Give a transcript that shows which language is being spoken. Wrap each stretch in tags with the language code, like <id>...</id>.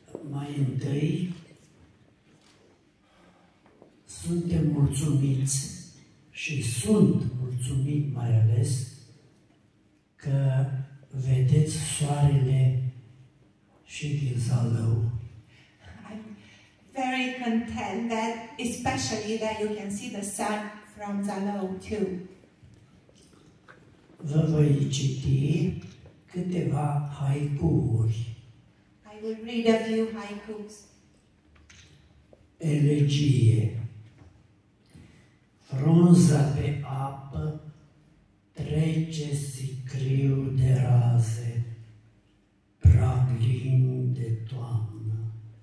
<ro>Mai întâi, suntem mulțumiți și sunt mulțumit mai ales că vedeți soarele și din Zalău.</ro> <en>I'm very content that especially that you can see the sun from Zalău too.</en> <ro>Vă voi citi câteva haicuri.</ro> <en>We'll read a few haikus.</en> <ro>Elegie. Frunza pe apă trece sicriu de raze, prag lin de toamnă.</ro>